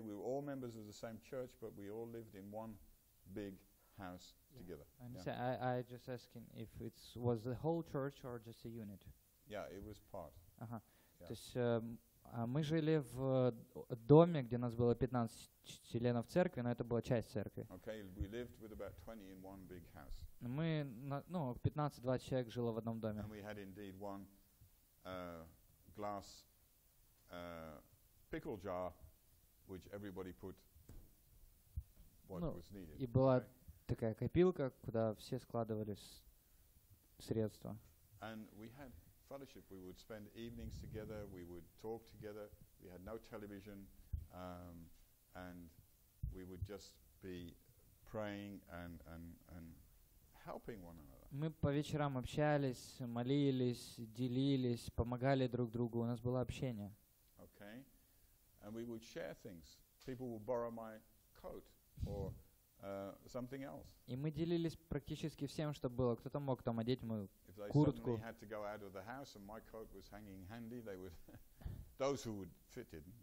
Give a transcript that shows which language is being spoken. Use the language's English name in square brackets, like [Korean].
[English] We were all members of the same church, but we all lived in one big house together. Yeah. I'm just asking if it was the whole church or just a unit. Yeah, it was part. Uh-huh. [Russian] То есть мы жили в доме, где нас было 15 членов церкви, но это была часть церкви. [English] Okay, we lived with about 20 in one big house. [Russian] Мы, ну, 15-20 человек жило в одном доме. [English] And we had indeed one glass pickle jar, which everybody put what was needed. [Russian] И была такая копилка, куда все складывали средства. [English] And we had fellowship. We would spend evenings together. We would talk together. We had no television, and we would just be praying and helping one another. [Russian] Мы по вечерам общались, молились, делились, помогали друг другу. У нас было общение. [English] Okay, and we would share things. People would borrow my coat or something else. [Russian] И мы делились практически всем, что было. Кто-то мог там одеть мою куртку. [English] Had to go out of the house and my coat was hanging handy, they would those who would fit it.